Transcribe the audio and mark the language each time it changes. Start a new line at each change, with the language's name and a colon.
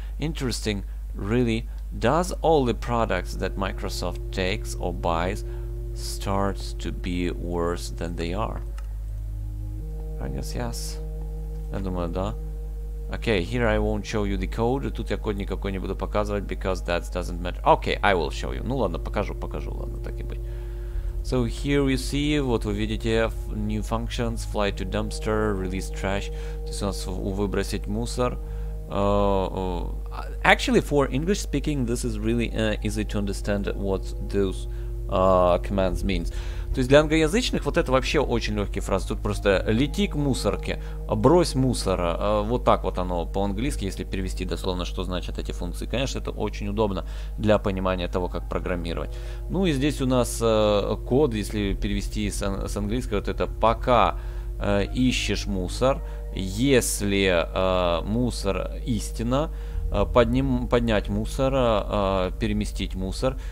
English: Interesting, really, does all the products that Microsoft takes or buys start to be worse than they are? I guess yes.
Russian: Я думаю, да.
English: Okay, here I won't show you the code.
Russian: Тут я код никакой не буду показывать,
English: because that doesn't matter. Okay, I will show you.
Russian: Ну ладно, покажу, ладно, так и быть.
English: So here you see,
Russian: вот вы видите,
English: new functions, fly to dumpster, release trash.
Russian: То есть у нас выбросить мусор. Actually, for English speaking, this is really easy to understand what those commands means. То есть для англоязычных вот это вообще очень легкие фразы. Тут просто лети к мусорке, брось мусора. Вот так вот оно по-английски, если перевести дословно, что значат эти функции. Конечно, это очень удобно для понимания того, как программировать. Ну и здесь у нас код, если перевести с английского, вот это пока ищешь мусор, если мусор истина, поднять мусор, переместить мусор.